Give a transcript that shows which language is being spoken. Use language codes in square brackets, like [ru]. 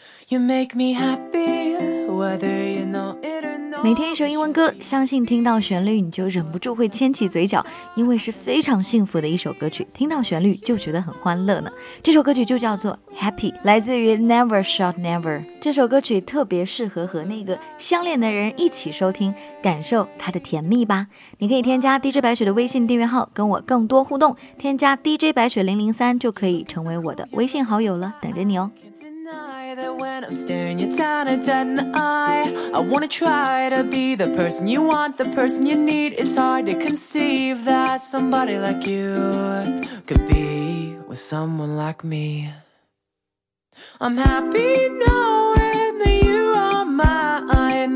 [en] You make me happy, whether you know it or not. [zh] 每天一首英文歌，相信听到旋律你就忍不住会牵起嘴角，因为是非常幸福的一首歌曲，听到旋律就觉得很欢乐呢。这首歌曲就叫做 Happy， 来自于 Never Shot Never。这首歌曲特别适合和那个相恋的人一起收听，感受它的甜蜜吧。你可以添加 DJ 白雪的微信订阅号跟我更多互动，添加 DJ 白雪003就可以成为我的微信好友了，等着你哦。 [en] That when I'm staring you down and dead in the eye, I wanna try to be the person you want, the person you need. It's hard to conceive that somebody like you could be with someone like me. I'm happy knowing that you are mine.